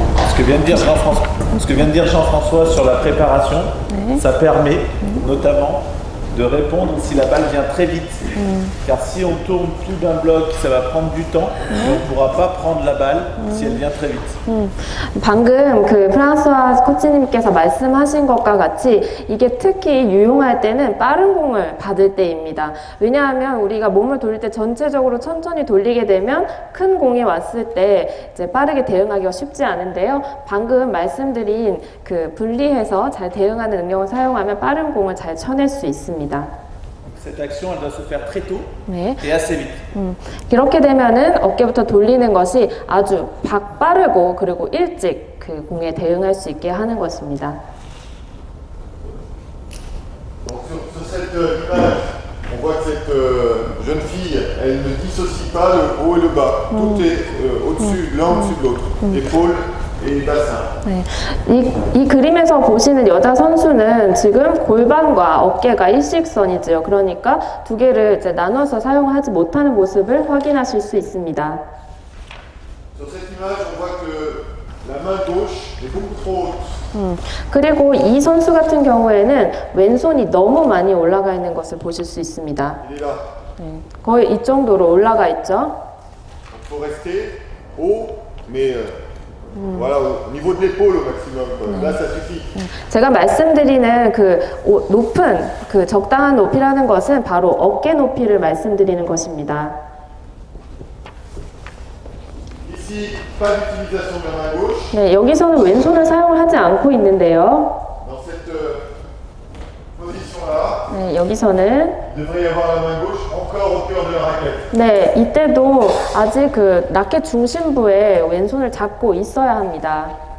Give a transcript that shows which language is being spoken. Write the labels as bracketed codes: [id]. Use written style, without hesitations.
[fr] Ce que vient de dire Jean-François sur la préparation, ça permet notamment de répondre si la balle vient très vite. Car si on tourne tout d'un bloc, ça va prendre du temps, on ne pourra pas prendre la balle si elle vient très vite. [ko] 방금 그 프랑스와 코치님께서 말씀하신 것과 같이 이게 특히 유용할 때는 빠른 공을 받을 때입니다. 왜냐하면 우리가 몸을 돌릴 때 전체적으로 천천히 돌리게 되면 큰 공이 왔을 때 이제 빠르게 대응하기가 쉽지 않은데요. 방금 말씀드린 그 분리해서 잘 대응하는 능력을 사용하면 빠른 공을 잘 쳐낼 수 있습니다. [fr] Cette action, elle doit se faire très tôt et assez vite. [ko] 이렇게 되면은 어깨부터 돌리는 것이 아주 빠르고 그리고 일찍 그 공에 대응할 수 있게 하는 것입니다. [fr] Donc sur cette image, on voit que cette jeune fille, elle ne dissocie pas le haut et le bas. Tout est au-dessus, l'un au-dessus de l'autre. Épaule. [ko] 네. 이 그림에서 보시는 여자 선수는 지금 골반과 어깨가 일직선이지요. 그러니까 두 개를 이제 나눠서 사용하지 못하는 모습을 확인하실 수 있습니다. [fr] Sur cette image, on voit que la main gauche est beaucoup trop haute. [ko] 그리고 이 선수 같은 경우에는 왼손이 너무 많이 올라가 있는 것을 보실 수 있습니다. 거의 이 정도로 올라가 있죠. [fr] Pour rester haut, mais voilà, au niveau de l'épaule au maximum. Là, ça suffit. [ko] 제가 말씀드리는 그 높은 그 적당한 높이라는 것은 바로 어깨 높이를 말씀드리는 것입니다. [fr] Ici, pas d'utilisation de la main gauche. [ko] 네, 여기서는 왼손을 사용을 하지 않고 있는데요. [fr] Dans cette position-là. [ko] 네, 여기서는. [fr] Il devrait y avoir la main gauche encore au cœur de la raquette. [ko] 네, 이때도 아직 그 라켓 중심부에 왼손을 잡고 있어야 합니다.